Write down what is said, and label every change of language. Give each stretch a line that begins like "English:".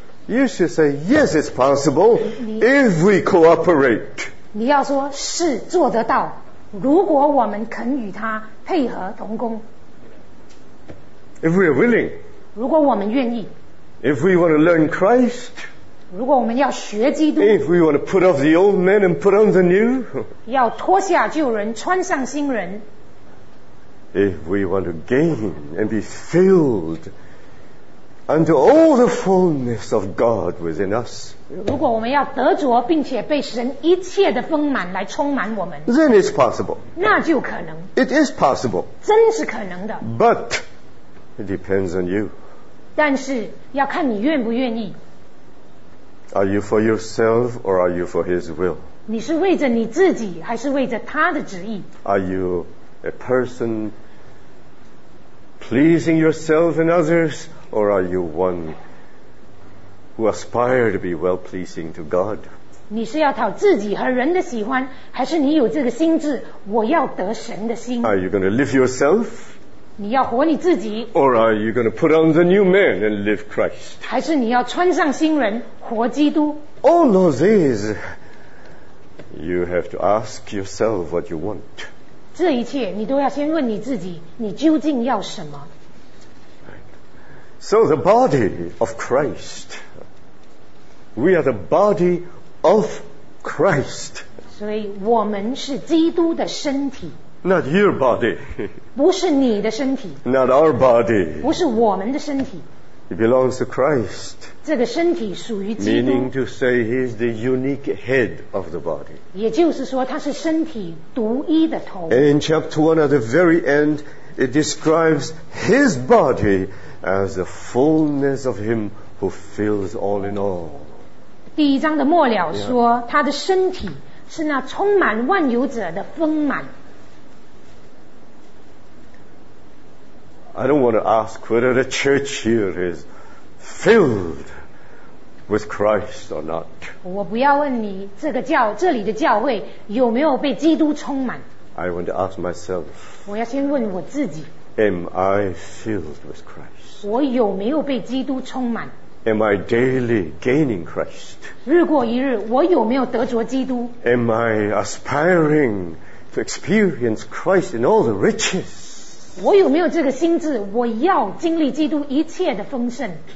English: You should say, yes, it's possible if we cooperate.
Chinese: 你要说是做得到，如果我们肯与他配合同工。
English: If we are willing.
Chinese: 如果我们愿意。
English: If we want to learn Christ.
Chinese: 如果我们要学基督，
English: If we want to put off the old man and put on the new,
Chinese: 要脱下旧人穿上新人，
English: If we want to gain and be filled unto all the fullness of God within us,
Chinese: 如果我们要得着并且被神一切的丰满来充满我们，
English: Then it's possible.
Chinese: 那就可能。
English: It is possible.
Chinese: 真是可能的。
English: But it depends on you.
Chinese: 但是要看你愿不愿意。
English: Are you for yourself or are you for His will?
Chinese: 你是为着你自己还是为着他的旨意？
English: Are you a person pleasing yourself and others or are you one who aspire to be well pleasing to God?
Chinese: 你是要讨自己和人的喜欢，还是你有这个心智，我要得神的心？
English: Are you going to live yourself?
Chinese: 你要活你自己？
English: Or are you going to put on the new man and live Christ?
Chinese: 还是你要穿上新人活基督？
English: All of these, you have to ask yourself what you want.
Chinese: 这一切你都要先问你自己，你究竟要什么？
English: So the body of Christ, we are the body of Christ.
Chinese: 所以我们是基督的身体。
English: Not your body.
Chinese: 不是你的身体。
English: Not our body.
Chinese: 不是我们的身体。
English: It belongs to Christ.
Chinese: 这个身体属于基督。
English: Meaning to say he is the unique head of the body.
Chinese: 也就是说他是身体独一的头。
English: And in chapter 1 at the very end, it describes his body as the fullness of him who fills all in all.
Chinese: 第一章的末了说、yeah. 他的身体是那充满万有者的丰满。
English: I don't want to ask whether the church here is filled with Christ or not.
Chinese: 我不要问你这里的教会有没有被基督充满。
English: I want to ask myself.
Chinese: 我要先问我自己。
English: Am I filled with Christ?
Chinese: 我有没有被基督充满？
English: Am I daily gaining Christ?
Chinese: 日过一日，我有没有得着基督？
English: Am I aspiring to experience Christ in all the riches?
Chinese: 我有没有这个心智，我要经历基督一切的丰盛。